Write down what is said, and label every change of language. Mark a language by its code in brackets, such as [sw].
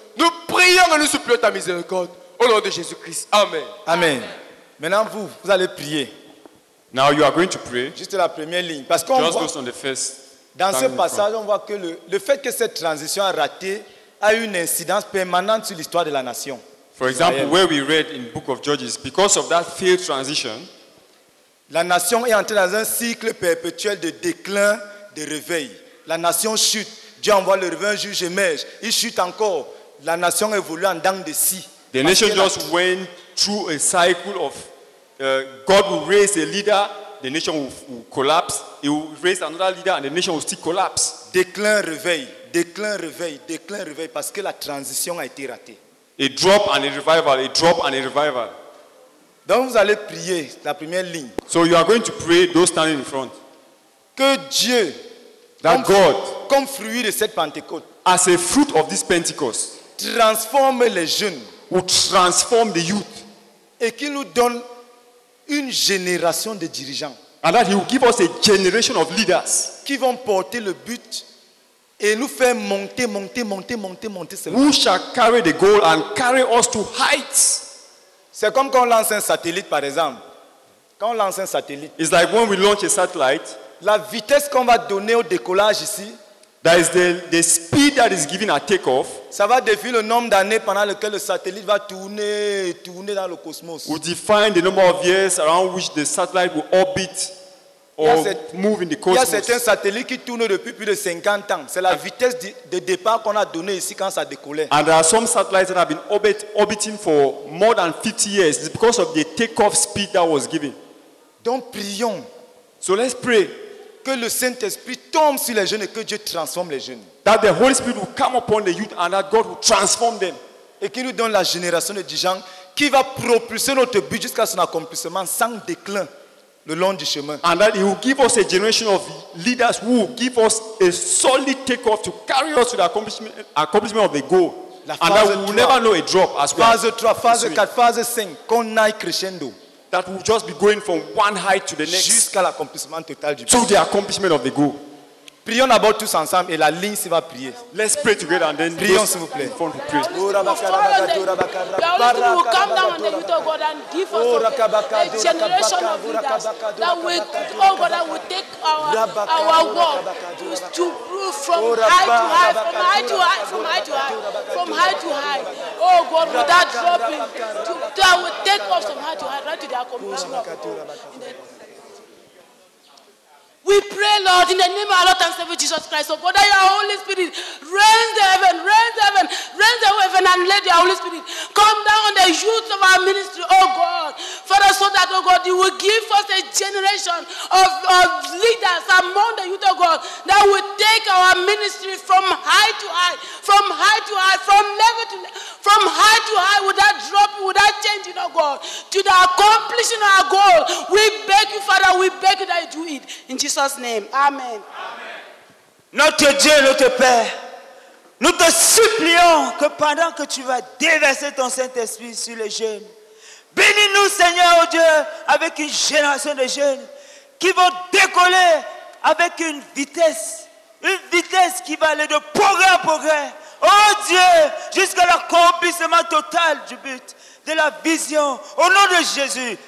[fr] Nous prions et nous supplions ta miséricorde. Au nom de Jésus-Christ. Amen. Amen. Maintenant, vous allez prier. [en] Now you are going to pray. [fr] Juste la première ligne. Parce qu'on [en] just [fr] voit, [en] goes on the first [fr] dans ce passage, on voit que le fait que cette transition a raté a eu une incidence permanente sur l'histoire de la nation. [en] For example, where we read in the book of Judges, because of that failed transition, [fr] la nation est entrée dans un cycle perpétuel de déclin, de réveil. La nation chute. Dieu envoie le réveil, un juge émerge. Il chute encore. La nation évolue en dents de scie. [en] The nation just went through a cycle of God will raise a leader, the nation will collapse. He will raise another leader and the nation will still collapse. [fr] Déclin, réveil, déclin, réveil, déclin, réveil, parce que la transition a été ratée. [en] A drop and a revival, a drop and a revival. [fr] Donc vous allez prier, la première ligne. [en] So you are going to pray, those standing in front. [fr] Que Dieu, [en] that God, [fr] comme fruit de cette Pentecôte, [en] as a fruit of this Pentecost, [fr] transforme les jeunes, [en] will transform the youth, [fr] et qu'il nous donne une génération de dirigeants, [en] and that he will give us a generation of leaders, [fr] qui vont porter le but et nous faire monter, [en] who shall carry the goal and carry us to heights. [fr] C'est comme quand on lance un satellite, par exemple. Quand on lance un satellite, [en] it's like when we launch a satellite, [fr] la vitesse qu'on va donner au décollage ici, [en] that is the speed that is given at takeoff, [fr] ça va définir le nombre d'années pendant lequel le satellite va tourner dans le cosmos. [en] Will define the number of years around which the satellite will orbit or move in the cosmos. [fr] Il y a certains satellites qui tournent depuis plus de 50 ans. C'est la vitesse de départ qu'on a donnée ici quand ça décollait. [en] And there are some satellites that have been orbiting for more than 50 years. It's because of the takeoff speed that was given. [fr] Donc prions. [en] So let's pray. [fr] Que le Saint-Esprit tombe sur les jeunes et que Dieu transforme les jeunes. [en] That the Holy Spirit will come upon the youth and that God will transform them. [fr] Et qu'il nous donne la génération de dirigeants qui va propulser notre but jusqu'à son accomplissement sans déclin le long du chemin. [en] And that he will give us a generation of leaders who will give us a solid takeoff to carry us to the accomplishment of the goal. [fr] La phase [en] and that we will [fr] 3, [en] never know a drop as well. [fr] Phase 3, phase 4, phase 5, qu'on aille crescendo. [en] That will just be going from one height to the next. [fr] Jusqu'à l'accomplissement total du but. [en] To the accomplishment of the goal. [fr] Prions d'abord tous ensemble et la ligne s'y va prier. [en] Let's pray together and then [fr] prions s'il vous plaît. [en] For the priest. Lord, we come down on the youth of God and give us a generation of leaders that we, oh God, that will take our walk to prove from high to high. Oh God, without dropping, that will take us from high to high, right to the accomplishment. We pray, Lord, in the name of our Lord and Savior Jesus Christ, oh God, that your Holy Spirit rend the heaven, and let your Holy Spirit come down on the youth of our ministry, oh God, Father, so that, oh God, you will give us a generation of leaders among the youth, oh God, that will take our ministry from high to high, without dropping, without changing, oh God, to the accomplishing of our goal. We beg you, Father, we beg you that you do it in Jesus' name. Amen. Amen. [fr] Notre Dieu, notre Père, nous te supplions que pendant que tu vas déverser ton Saint-Esprit sur les jeunes, bénis-nous, Seigneur, oh Dieu, avec une génération de jeunes qui vont décoller avec une vitesse qui va aller de progrès en progrès, oh Dieu, jusqu'à l'accomplissement total du but, de la vision, au nom de Jésus.